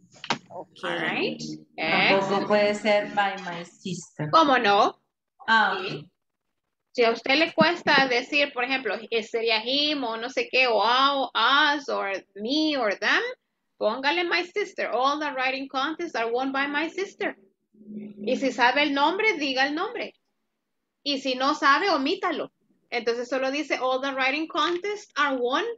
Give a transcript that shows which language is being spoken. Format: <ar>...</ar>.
<en>Okay. All right.</en> <es>Tampoco puede ser by my sister. ¿Cómo no? Ah. Sí. Si a usted le cuesta decir, por ejemplo, sería him o no sé qué, o us,</es> <en>or me, or them,</en> <es>póngale my sister.</es> <en>All the writing contests are won by my sister.</en> <es>Y si sabe el nombre, diga el nombre. Y si no sabe, omítalo. Entonces solo dice,</es> <en>all the writing contests are won.</en>